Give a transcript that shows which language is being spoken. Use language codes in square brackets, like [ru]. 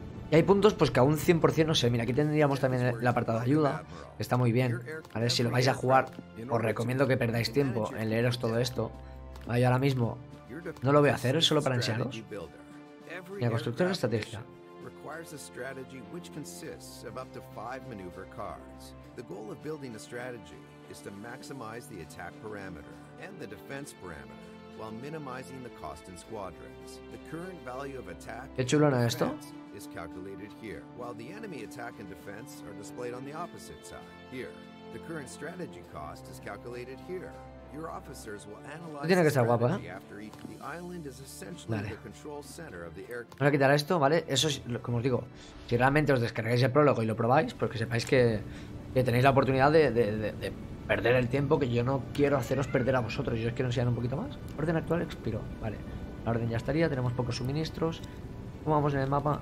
[es] Y hay puntos pues que aún 100% no sé. Mira, aquí tendríamos también el apartado de ayuda. Está muy bien. A ver, si lo vais a jugar, os recomiendo que perdáis tiempo en leeros todo esto. Vale, yo ahora mismo no lo voy a hacer, es solo para enseñaros. Mira, constructor de estrategia. [en] Requires a strategy which consists of up to 5 maneuver cards. The goal of building a strategy is to maximize the attack parameter and the defense parameter while minimizing the cost in squadrons. The current value of attack is calculated here, while the enemy attack and defense are displayed on the opposite side. Here, the current strategy cost is calculated here. Your officers will analyze. [es] Tiene que estar guapo, ¿eh? [en] The island is essentially the control center of the air. [es] Voy a quitar esto, ¿vale? Eso es, como os digo, si realmente os descargáis el prólogo y lo probáis, porque sepáis que tenéis la oportunidad de perder el tiempo, que yo no quiero haceros perder a vosotros. Yo os quiero enseñar un poquito más. Orden actual expiró. Vale, la orden ya estaría. Tenemos pocos suministros. ¿Cómo vamos en el mapa?